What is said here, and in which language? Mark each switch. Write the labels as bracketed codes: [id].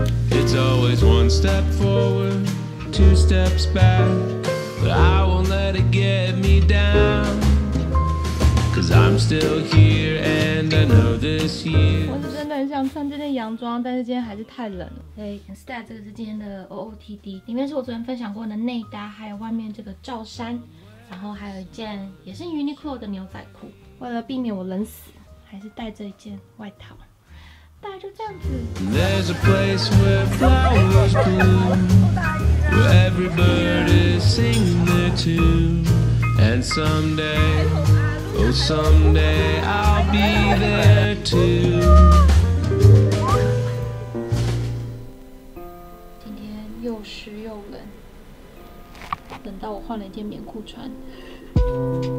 [en] It's always one step forward, two steps back, but I won't let it get me down, 'cause I'm still here and I know this year. [zh] 我是真的很想穿这件洋装，但是今天还是太冷了。对 ，Instead 这个是今天的 OOTD， 里面是我昨天分享过的内搭，还有外面这个罩衫，然后还有一件也是 Uniqlo 的牛仔裤。为了避免我冷死，还是带着一件外套。 [en] There's a place where flowers bloom, where every bird is singing their tune. And someday, oh someday, I'll be there too. [zh] 今天又湿又冷，冷到我换了一件棉裤穿。